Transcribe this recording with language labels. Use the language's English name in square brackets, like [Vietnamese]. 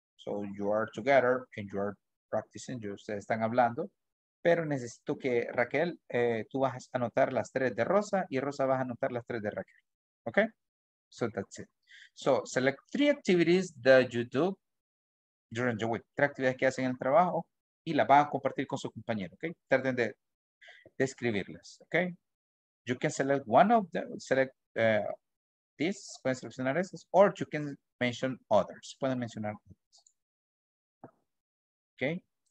[English] So you are together and you are practicing. [Spanish] Ustedes están hablando. Pero necesito que Raquel, tú vas a anotar las tres de Rosa y Rosa vas a anotar las tres de Raquel. [English] ¿Ok? So that's it. So, select three activities that you do during the week. [Spanish] Tres actividades que hacen en el trabajo y las van a compartir con su compañero, ¿ok? Traten de describirlas, [English] ¿ok? You can select one of them, select this, [Spanish] pueden seleccionar esas, [English] or you can mention others, [Spanish] pueden mencionar otras, [English] ¿ok?